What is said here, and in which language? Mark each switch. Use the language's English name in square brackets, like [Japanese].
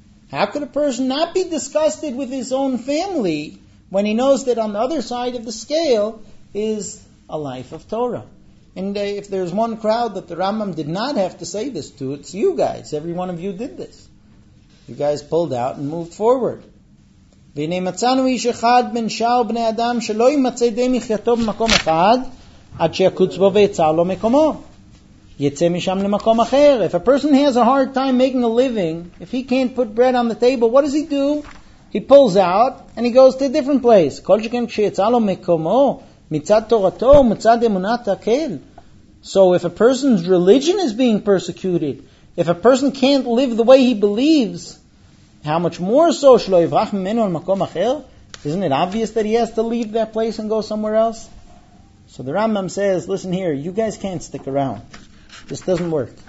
[English] How could a person not be disgusted with his own family when he knows that on the other side of the scale is a life of Torah? And if there's one crowd that the Rambam did not have to say this to, it's you guys. Every one of you did this. You guys pulled out and moved forward. [Hebrew] והנה מצאנו איש אחד בין שאר בני אדם שלא ימצא די מחייתו במקום אחד עד שיקוץ בו ויצר לו מקומו. יצא משם למקום אחר. [English] If a person has a hard time making a living, if he can't put bread on the table, what does he do? He pulls out and he goes to a different place. [Hebrew] כל שכן כשיצא לו מקומו מצד תורתו ומצד אמונת הקהל. [English] So if a person's religion is being persecuted, if a person can't live the way he believes, how much more so [Hebrew] shlo yivrach mimenu al makom acher? [English] Isn't it obvious that he has to leave that place and go somewhere else? So the Rambam says, listen here, you guys can't stick around. This doesn't work.